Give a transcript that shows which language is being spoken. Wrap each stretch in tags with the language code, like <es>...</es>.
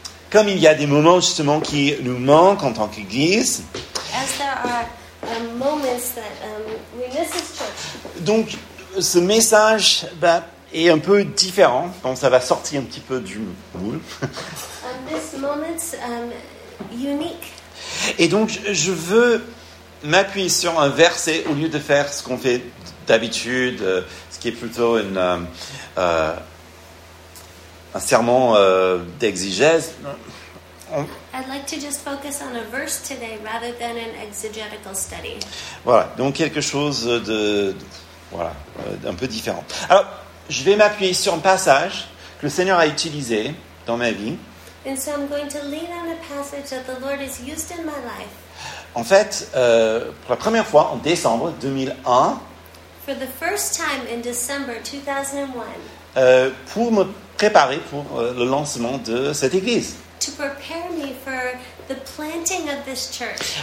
<fr>Comme il y a des moments justement qui nous manquent en tant qu'église.</fr> <en>As there are moments that we miss as church.</en> <fr>Donc ce message est un peu différent. Donc ça va sortir un petit peu du moule.</fr> <en>This moment's unique.</en> <fr>Et donc je veux m'appuyer sur un verset au lieu de faire ce qu'on fait d'habitude, ce qui est plutôt un serment d'exégèse.</fr> <en>I'd like to just focus on a verse today rather than an exegetical study.</en> <fr>Voilà, donc quelque chose d'un peu différent. Alors, je vais m'appuyer sur un passage que le Seigneur a utilisé dans ma vie.</fr> <en>And so I'm going to lean on a passage that the Lord has used in my life.</en> <fr>En fait, pour la première fois en décembre 2001,</fr> <en>for the first time in December 2001,</en> <fr>pour me préparer pour le lancement de cette église.</fr> <en>To prepare me for the planting of this church.</en>